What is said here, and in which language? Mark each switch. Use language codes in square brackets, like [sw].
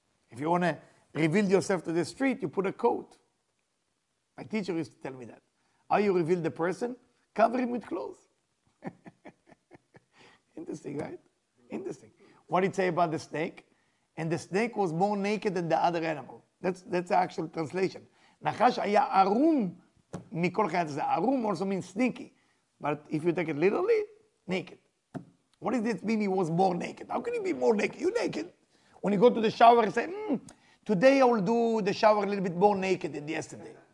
[en] If you want to reveal yourself to the street, you put a coat. My teacher used to tell me that. How you reveal the person? Cover him with clothes. Interesting, right? Interesting. What did it say about the snake? And the snake was more naked than the other animal. That's the actual translation. [he] Nachash היה ערום מכל חיית הזה. [en] ערום also means sneaky. But if you take it literally, naked. What does this mean he was born naked? How can he be more naked? You're naked. When you go to the shower and say, today I will do the shower a little bit more naked than yesterday.